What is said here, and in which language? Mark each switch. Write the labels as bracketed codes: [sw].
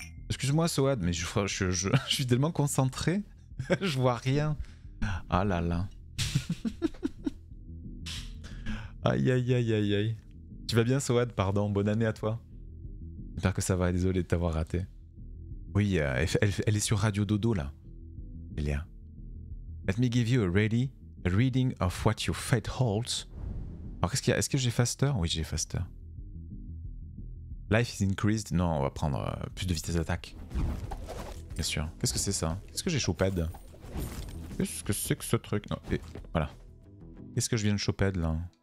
[fr] Excuse-moi, Soad, mais je suis tellement concentré. Je vois rien. Ah là là. Aïe. Tu vas bien, Soad? Pardon, bonne année à toi. J'espère que ça va, désolé de t'avoir raté. Oui, elle est sur Radio Dodo, là. Elia. [en] Let me give you a reading of what your fate holds. [fr] Alors, qu'est-ce qu'il y a? Est-ce que j'ai faster? Oui, j'ai faster. [en] Life is increased. [fr] Non, on va prendre plus de vitesse d'attaque. Bien sûr. Qu'est-ce que c'est, ça? Qu'est-ce que j'ai chopé? Qu'est-ce que c'est que ce truc? Non, et voilà. Qu'est-ce que je viens de chopé, là?